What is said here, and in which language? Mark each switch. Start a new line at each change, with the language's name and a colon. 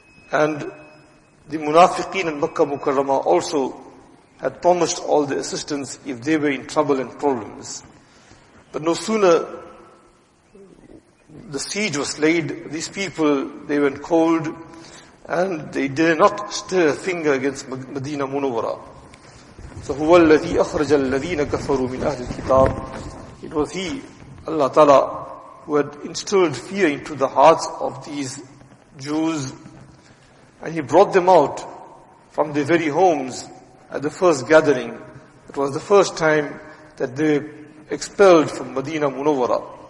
English: And the Munafiqeen in Makkah Mukarramah also had promised all the assistance if they were in trouble and problems. But no sooner the siege was laid, these people, they went cold and they did not stir a finger against Medina Munawwara.
Arabic: So, هو الذي أخرج الذين كفروا من أهل الكتاب.
English: It was he, Allah Ta'ala, who had instilled fear into the hearts of these Jews, and he brought them out from their very homes at the first gathering. It was the first time that they were expelled from Medina Munawwara.